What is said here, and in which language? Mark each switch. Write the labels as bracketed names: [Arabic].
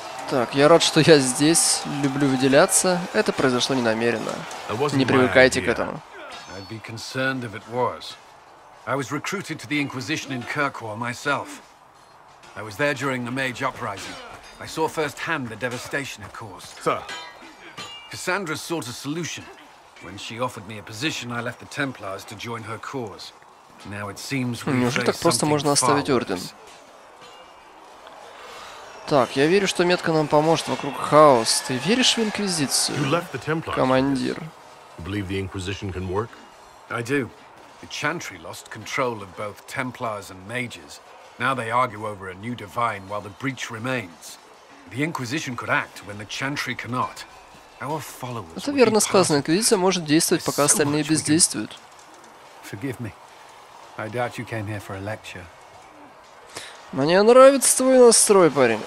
[Russian] Так, я рад, что я здесь, люблю выделяться. Это произошло ненамеренно. Не привыкайте к этому. [English] I'd be concerned if it was. I was recruited to the Inquisition in Kirkwall myself. I was there during the Mage Uprising. I saw firsthand the devastation it caused. Sir. Cassandra sought a solution. When she offered me a position, I left the Templars to join her cause. Now it seems we [Russian] Неужели так просто можно оставить орден? Так, я верю, что метка нам поможет. Вокруг хаос. Ты веришь в Инквизицию? Командир. [English] You believe the Inquisition can work? I do. The Chantry lost control of both Templars and Mages. Now they argue over a new divine while the breach remains. The Inquisition could act when the Chantry cannot. Our followers [Russian] Это верно сказано. Инквизиция может действовать, пока остальные бездействуют. [English] Forgive me. I doubt you came here for a lecture. [Russian] Мне нравится твой настрой, парень.